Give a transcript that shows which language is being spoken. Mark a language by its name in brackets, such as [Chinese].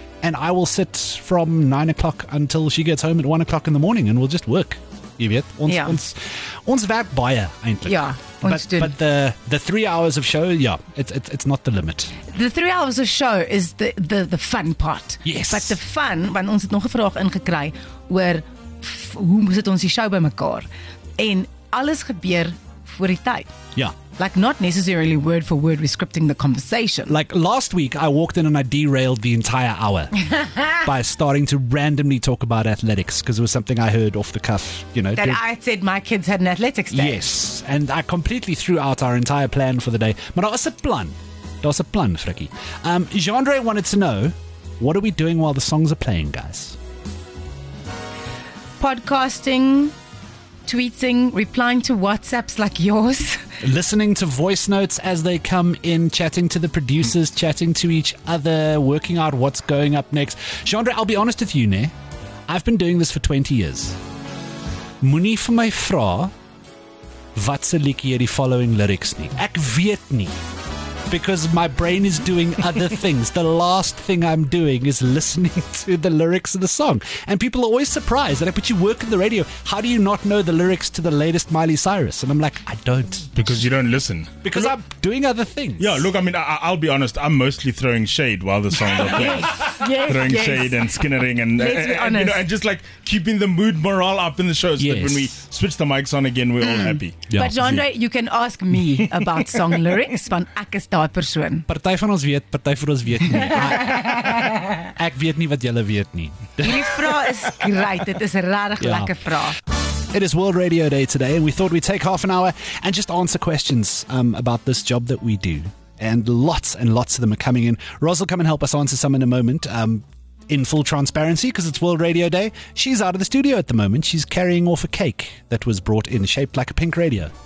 [English] And I will sit from 9 o'clock until she gets home at 1 o'clock in the morning and we'll just work. You get? [Afrikaans] Ons werk baie, eintlik. [English] Yeah. But the 3 hours of show, yeah, it's not the limit. The 3 hours of show is the fun part. Yes. But the fun, [Afrikaans] want ons het nog 'n vraag ingekry oor hoe sit ons die show by mekaar? En alles gebeur voor die tyd. Yeah. [English] Like, not necessarily word for word, we're scripting the conversation. Like, last week, I walked in and I derailed the entire hour by starting to randomly talk about athletics because it was something I heard off the cuff, you know. I said my kids had an athletics day. Yes, and I completely threw out our entire plan for the day. But that was a plan. That was a plan, Frikkie. Jandre wanted to know, what are we doing while the songs are playing, guys? Podcasting, tweeting, replying to WhatsApps like yours. Listening to voice notes as they come in, chatting to the producers, chatting to each other, working out what's going up next. Jandre, I'll be honest with you, I've been doing this for 20 years. [Afrikaans] Moenie vir my vra wat se liedjie hierdie [English] following lyrics [Afrikaans] nie. Ek weet nie. [English] because my brain is doing other things. The last thing I'm doing is listening to the lyrics of the song. And people are always surprised. They're like, but you work in the radio. How do you not know the lyrics to the latest Miley Cyrus? And I'm like, I don't. Because you don't listen. Because I'm doing other things. Yeah, look, I mean, I'll be honest. I'm mostly throwing shade while the songs are playing. Yes, throwing yes. shade and skinnering and, and, you know, and just like keeping the mood morale up in the show. So yes. that when we switch the mics on again, we're all happy. Yeah. But Jandre, you can ask me about song lyrics [Afrikaans] van ek is daai persoon. Party van ons weet, party van ons weet nie. Ek weet nie wat julle weet nie. Hierdie vraag is great. Dit is 'n regtig lekker vraag. [English] It is World Radio Day today and we thought we'd take half an hour and just answer questions about this job that we do. And lots of them are coming in. Roz will come and help us answer some in a moment. In full transparency, because it's World Radio Day, she's out of the studio at the moment. She's carrying off a cake that was brought in, shaped like a pink radio.